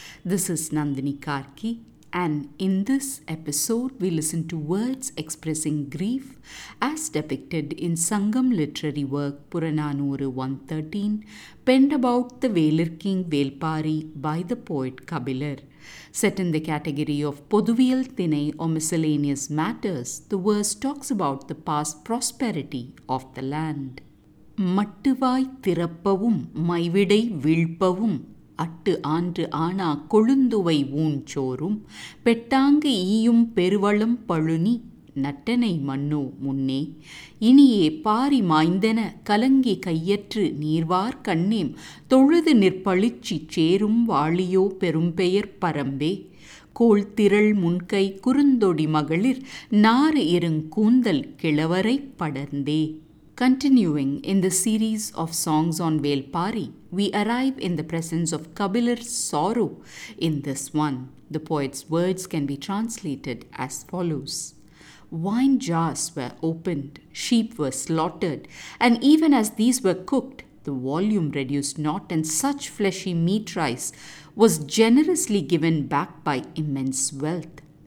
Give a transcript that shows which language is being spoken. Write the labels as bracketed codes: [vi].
[en] This is Nandini Karki, and in this episode we listen to words expressing grief as depicted in Sangam literary work Puranoru 113, penned about the Velir King Velpari by the poet Kabilar. Set in the category of Poduviyal Thinai or Miscellaneous Matters, the verse talks about the past prosperity of the land. [ta] மட்டுவாய் திறப்பவும் மைவிடை வீழ்ப்பவும் at ஆண்டு ஆனா கொழுந்துவை ஊஞ்சோறும் பெட்டாங்கு ஈயும் பெருவளம் பழுனி நட்டனை மன்னோ முன்னே இனியே பாரி மாய்ந்தன கலங்கி கையற்று நீர்வார் கண்ணேம் தொழுது நிற்பழிச்சி சேரும் வாளியோ பெரும்பெயர் பரம்பே கோல் திரள் முன்கை குறுந்தொடி மகளிர் நாறு எருங்கூந்தல் கிழவரை படர்ந்தே. [en] Continuing in the series of songs on Velpari, we arrive in the presence of Kabilar's sorrow in this one. The poet's words can be translated as follows. Wine jars were opened, sheep were slaughtered, and even as these were cooked, the volume reduced not, and such fleshy meat rice was generously given back by immense wealth.